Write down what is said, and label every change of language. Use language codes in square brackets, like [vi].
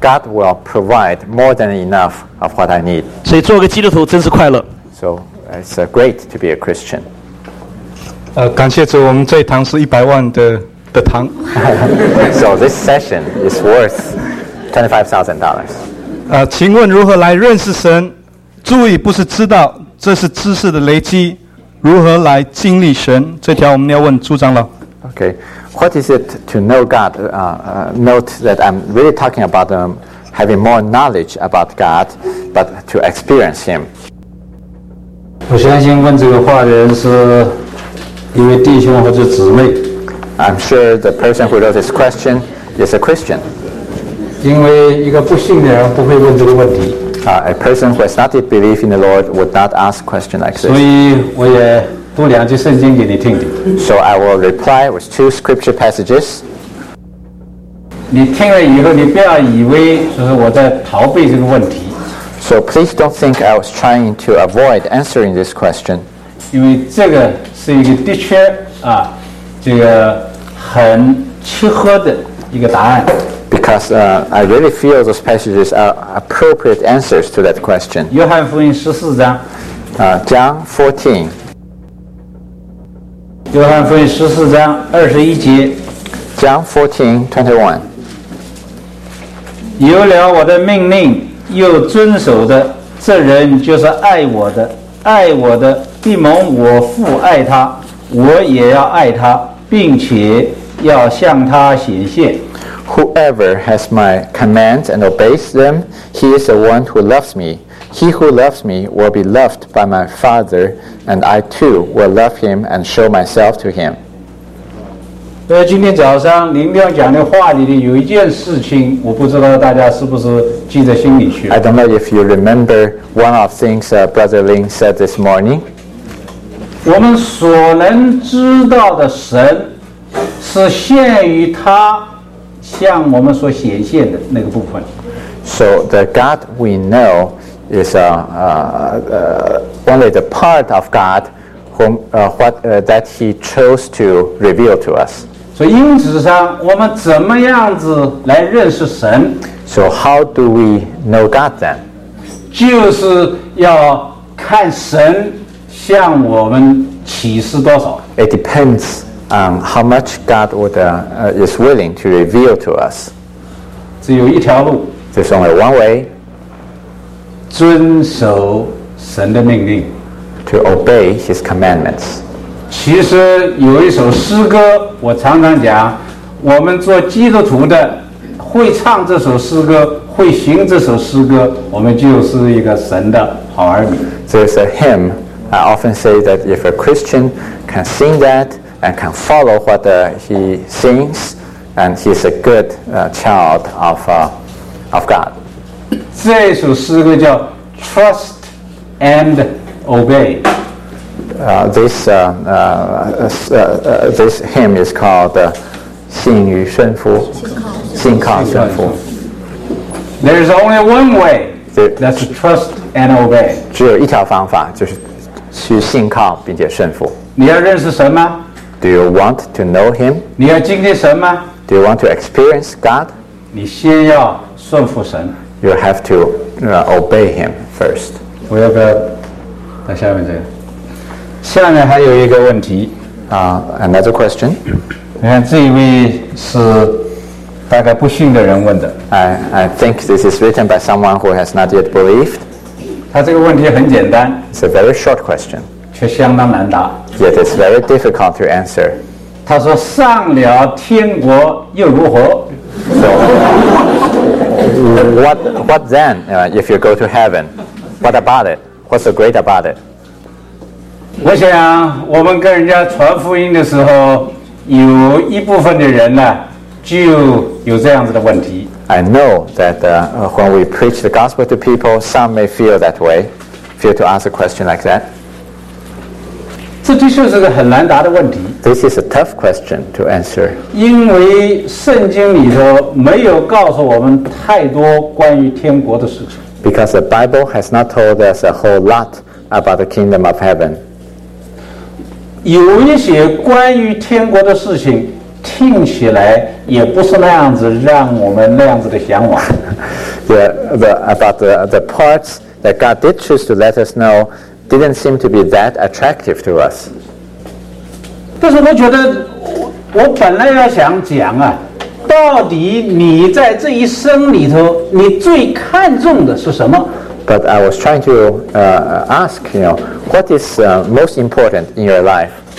[en] God will provide more than enough of what I need. [zh] 所以做个基督徒真是快乐。 [en] So it's great to be a Christian. [zh] 感谢主，我们这一堂是100万的堂。 [en] So this session is worth $25,000. [zh] 请问如何来认识神？注意，不是知道，这是知识的累积。如何来经历神？这条我们要问朱长老。 [en] Okay, what is it to know God? Note that I'm really talking about having more knowledge about God, but to experience Him. [zh] 我相信问这个话的人是一位弟兄或者姊妹。 [en] I'm sure the person who wrote this question is a Christian. [zh] 因为一个不信的人不会问这个问题。 [en] A person who has not yet believed in the Lord would not ask a question like this. [zh] 所以我也读两句圣经给你听听。 [en] So I will reply with two scripture passages. [zh] 你听了以后，你不要以为就是我在逃避这个问题。 [en] So please don't think I was trying to avoid answering this question. [zh] 因为这个是一个的确啊，这个很契合的一个答案。 [en] Because I really feel those passages are appropriate answers to that question. [zh] 约翰福音十四章。 [en] John 14. [zh] 约翰福音十四章二十一节。 [en] John 14:21. [zh] 有了我的命令又遵守的，这人就是爱我的。爱我的必蒙我父爱他，我也要爱他，并且要向他显现。 [en] Whoever has my commands and obeys them, he is the one who loves me. He who loves me will be loved by my Father, and I too will love him and show myself to him. [zh] 今天早上林亮讲的话里有一件事情，我不知道大家是不是记在心里去。 [en] I don't know if you remember one of the things Brother Ling said this morning. [zh] 我们所能知道的神是限于他向我们所显现的那个部分。 [en] So the God we know is only the part of God whom, that he chose to reveal to us. [zh] 所以因此上我们怎么样子来认识神？ [en] So how do we know God then? [zh] 就是要看神向我们启示多少。 [en] It depends on how much God would, is willing to reveal to us. [zh] 只有一条路。 [en] There's only one way. [zh] 遵守神的命令。 [en] To obey his commandments. [zh] 其实有一首诗歌我常常讲，我们做基督徒的会唱这首诗歌，会行这首诗歌，我们就是一个神的好儿女。 [en] There's a hymn. I often say that if a Christian can sing that and can follow what he sings, and he's a good child of God. [zh] 这首诗歌叫 Trust and Obey. [en] This hymn is called 信与顺服, 信靠顺服. There's only one way, that's trust and obey. [zh] 只有一条方法，就是去信靠并且顺服。你要认识神吗？ [en] Do you want to know him? [zh] 你要经历神吗? [en] Do you want to experience God? [zh] 你先要顺服神。 [en] You have to obey him first. [zh] 我要不要到下面这个？下面还有一个问题。 [en] Another question. [zh] 你看这一位是大概不信的人问的。 [en] I think this is written by someone who has not yet believed. [zh] 他这个问题很简单。 [en] It's a very short question. [zh] 却相当难答。 [en] Yet it's very difficult to answer. [zh] 他说：“上了天国又如何？” [en] So, what then? If you go to heaven, what about it? What's so great about it? [zh] 我想，我们跟人家传福音的时候，有一部分的人呢就有这样子的问题。 [en] I know that when we preach the gospel to people, some may feel that way, feel to ask a question like that. [zh] 这的确是个很难答的问题。 [en] This is a tough question to answer. [zh] 因为圣经里头没有告诉我们太多关于天国的事情。 [en] Because the Bible has not told us a whole lot about the kingdom of heaven. [zh] 有一些关于天国的事情听起来也不是那样子让我们那样子的向往。 [en] About the parts that God did choose to let us know didn't seem to be that attractive to us. [zh] 但是我觉得 我本来要想讲啊，到底你在这一生里头你最看重的是什么。 [en] But I was trying to ask, you know, what is most important in your life?